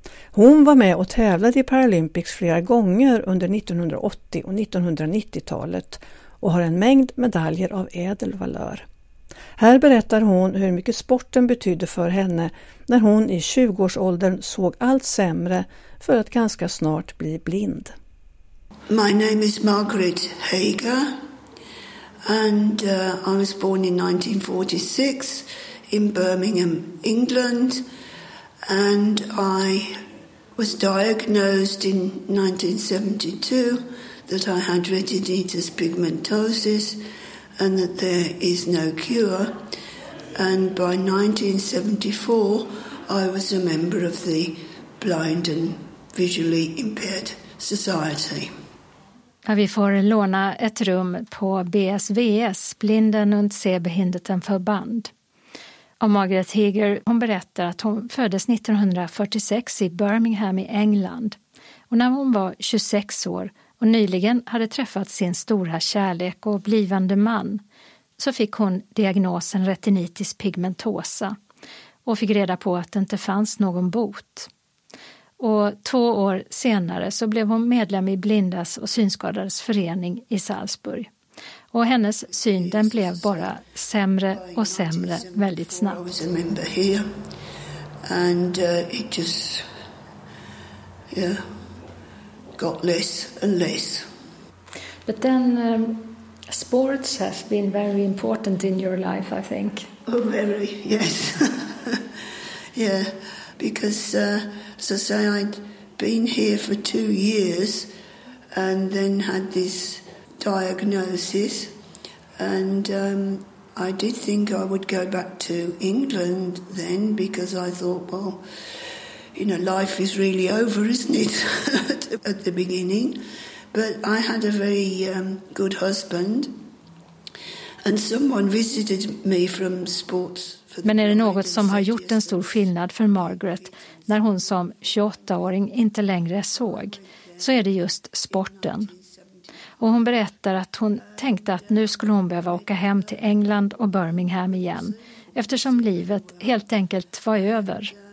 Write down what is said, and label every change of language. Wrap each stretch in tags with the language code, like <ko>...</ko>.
<sv>Hon var med och tävlade i Paralympics flera gånger under 1980- och 1990-talet och har en mängd medaljer av ädelvalör. Här berättar hon hur mycket sporten betydde för henne när hon i 20-årsåldern såg allt sämre för att ganska snart bli blind.</sv> <en>My name is Margaret Heger and I was born in 1946 in Birmingham, England, and I was diagnosed in 1972 that I had retinitis pigmentosis and that there is no cure. And by 1974, I was a member of the Blind and Visually Impaired Society.</en> <sv>Vi får låna ett rum på BSVS, Blinden und Sehbehinderten Förband. Och Margaret Heger, hon berättar att hon föddes 1946 i Birmingham i England. Och när hon var 26 år och nyligen hade träffat sin stora kärlek och blivande man, så fick hon diagnosen retinitis pigmentosa och fick reda på att det inte fanns någon bot. Och 2 år senare så blev hon medlem i Blindas och Synskadades förening i Salzburg. Och hennes syn, den blev bara sämre och sämre väldigt snabbt. Jag var en member här.</sv> <en>And it just got less and less. But then sports have been very important in your life, I think. Oh, very, yes. Yeah, because as I say, I'd been here for 2 years and then had this diagnosis, and I did think I would go back to England then, because I thought, well, you know, life is really over, isn't it, at the beginning. But I had a very good husband, and someone visited me from sports.</en> <sv>Men är det något som har gjort en stor skillnad för Margaret när hon som 28-åring inte längre såg, så är det just sporten. Och hon berättar att hon tänkte att nu skulle hon behöva åka hem till England och Birmingham igen, eftersom livet helt enkelt var över.</sv>